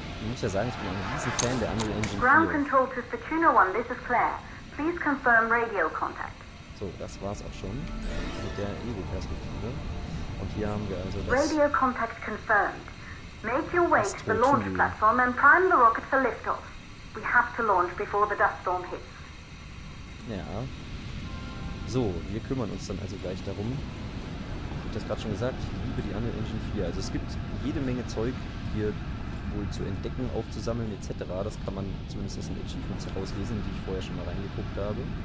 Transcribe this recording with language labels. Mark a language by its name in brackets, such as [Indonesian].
[German] Ich muss ja sagen, ich bin ein riesen Fan der Unreal Engine 4. [English] Ground Control to Fortuna 1, this is Claire. Please confirm radio contact. [German] So, das war's auch schon mit der Ego-Perspektive. Und hier haben wir also das... [English] Radio contact confirmed. Make your way to the launch platform and prime the rocket for liftoff. We have to launch before the dust storm hits. [German] Ja. So, wir kümmern uns dann also gleich darum. Ich habe das gerade schon gesagt, ich liebe die Unreal Engine 4. Also es gibt jede Menge Zeug hier wohl zu entdecken, aufzusammeln etc. Das kann man zumindest in Achievements herauslesen, die ich vorher schon mal reingeguckt habe.